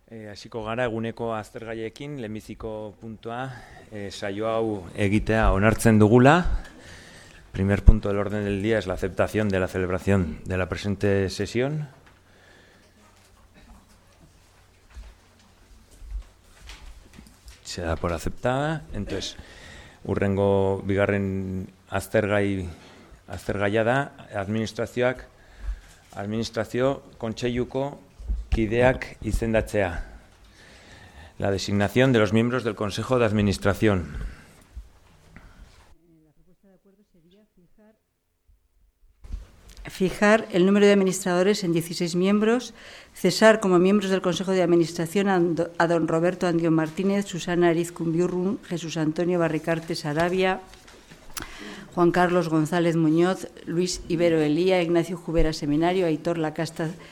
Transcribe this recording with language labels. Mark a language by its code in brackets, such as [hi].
[eu] Hasiko gara eguneko aztergaiekin, lehenbiziko puntua, saio hau egitea onartzen dugula. [es] Primer punto del orden del día es la aceptación de la celebración de la presente sesión. Se da por aceptada. [eu] Entonces, urrengo bigarren aztergaia da, administrazioak, administrazio kontseiluko kideak izendatzea. [es] La designación de los miembros del Consejo de Administración. La propuesta de acuerdo sería fijar el número de administradores en 16 miembros, cesar como miembros del Consejo de Administración a don Roberto Andión Martínez, Susana Ariz Cumbiurrun, Jesús Antonio Barricarte Sarabia, Juan Carlos González Muñoz, Luis Ibero Elía, Ignacio Jubera Seminario, Aitor Lacasta